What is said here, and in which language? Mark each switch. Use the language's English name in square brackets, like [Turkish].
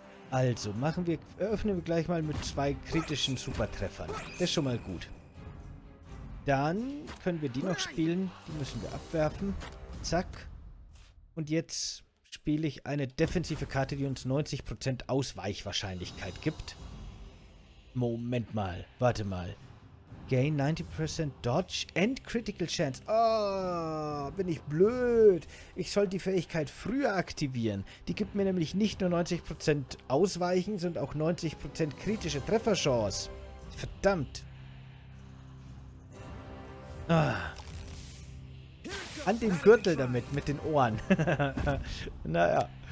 [German] Also, eröffnen wir gleich mal mit zwei kritischen Supertreffern. Das ist schon mal gut. Dann können wir die noch spielen. Die müssen wir abwerfen. Zack. Und jetzt spiele ich eine defensive Karte, die uns 90% Ausweichwahrscheinlichkeit gibt. Moment mal. Warte mal. [English] Gain 90% Dodge and Critical Chance. [German] Oh, bin ich blöd. Ich soll die Fähigkeit früher aktivieren. Die gibt mir nämlich nicht nur 90% Ausweichen, sondern auch 90% kritische Trefferchance. Verdammt. Ah. An den Gürtel damit, mit den Ohren. Naja.